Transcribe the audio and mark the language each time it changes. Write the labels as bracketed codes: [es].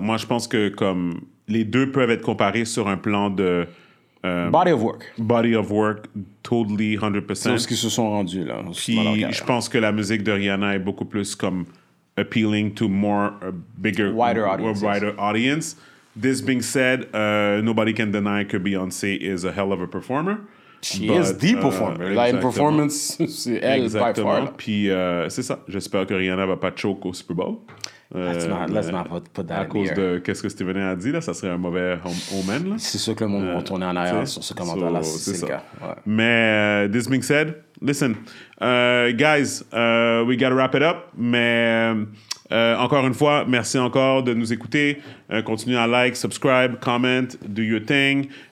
[fr] Moi, je pense que comme les deux peuvent être comparés sur un plan de [en] body of work, totally 100%. [fr] C'est ce qu'ils se sont rendus là. Puis, je pense que la musique de Rihanna est beaucoup plus comme [en] appealing to a wider audience. This being said, nobody can deny that Beyoncé is a hell of a performer. She is the performer. Like, performance, [fr] c'est elle [en] by far. [fr] Puis, c'est ça. J'espère que Rihanna va pas choke au Super Bowl. [en] Let's not put that in here. [fr] À cause de qu'est-ce que Stephen a dit, là, ça serait un mauvais omen. C'est sûr que le monde va tourner en arrière sur ce commentaire-là, si c'est ça. Le cas. [en] Ouais. Mais, this being said, listen, guys, we gotta wrap it up, mais... [fr] encore une fois, merci encore de nous écouter. Continuez à [en] like, subscribe, comment, do your thing.